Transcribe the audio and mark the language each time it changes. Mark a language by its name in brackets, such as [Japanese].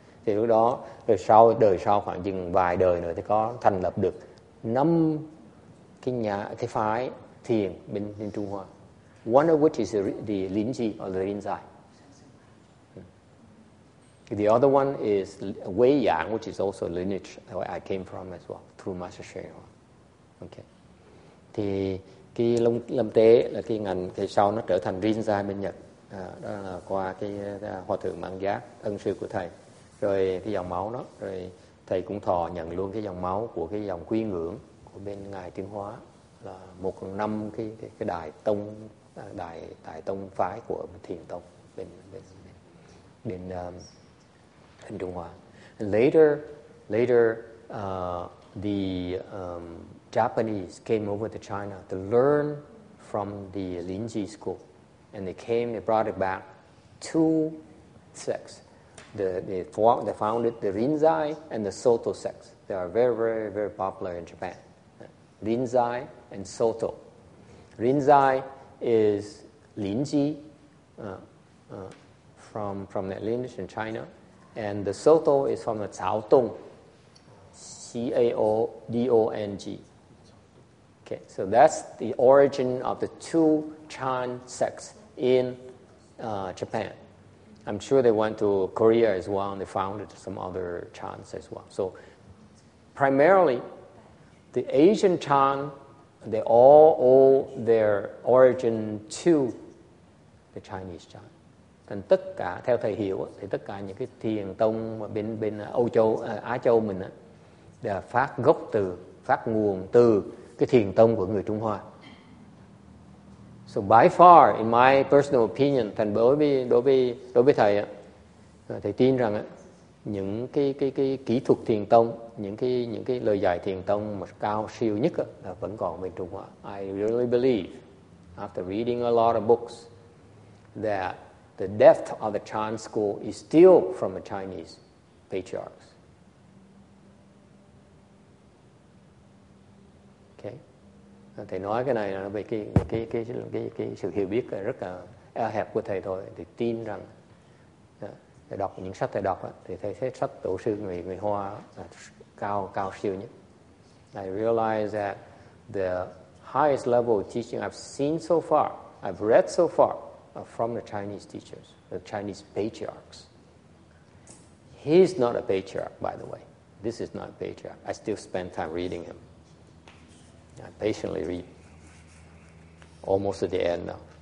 [Vietnamese] Thì lúc đó, rồi sau đời sau khoảng chừng vài đời nữa thì có thành lập được năm cái phái thiền bên Trung Hoa. [English] One of which is the Linji or the Rinzai. The other one is Wei Yang, which is also lineage where I came from as well, through Master Shen Hua. Okay. [Vietnamese] Thì cái lâm tế là cái ngành thì sau nó trở thành Rinzai bên Nhật. Đó là qua cái Hòa Thượng Mạng Giác, ân sư của thầy. Rồi cái dòng máu đó, rồi thầy cũng thọ nhận luôn cái dòng máu của cái dòng quy ngưỡng của bên ngài Tiến Hóa, là một năm cái đại tông, đại đại tông phái của thiền tông bên Trung Hoa. [English] And later the Japanese came over to China to learn from the Linji school, and they brought it back two sects. They founded the Rinzai and the Soto sects. They are very, very, very popular in Japan. Rinzai and Soto. Rinzai is Linji from that lineage in China, and the Soto is from the Cao Dong, Caodong. Okay, so that's the origin of the two Chan sects in Japan. I'm sure they went to Korea as well, and they founded some other Chans as well. So primarily, the Asian Chan, they all owe their origin to the Chinese Chan. [Vietnamese] Thành tất cả, theo thầy hiểu, thì tất cả những cái thiền tông bên Âu Châu, Á Châu mình, đã phát nguồn từ cái thiền tông của người Trung Hoa. [English] So by far, in my personal opinion, [Vietnamese] thành đối với thầy, thầy tin rằng những cái kỹ thuật thiền tông, những cái lời dạy thiền tông mà cao siêu nhất là vẫn còn bên Trung Hoa. [English] I really believe, after reading a lot of books, that the depth of the Chan school is still from the Chinese patriarchs. [Vietnamese] Thầy nói cái này là về cái sự hiểu biết rất là eo hẹp của thầy thôi. Thì tin rằng thầy đọc những sách thầy đọc thì thầy thấy sách tổ sư người Hoa là cao siêu nhất. [English] I realize that the highest level of teaching I've seen so far, I've read so far, are from the Chinese teachers, the Chinese patriarchs. He's not a patriarch, by the way. This is not a patriarch. I still spend time reading him. I patiently read almost at the end now.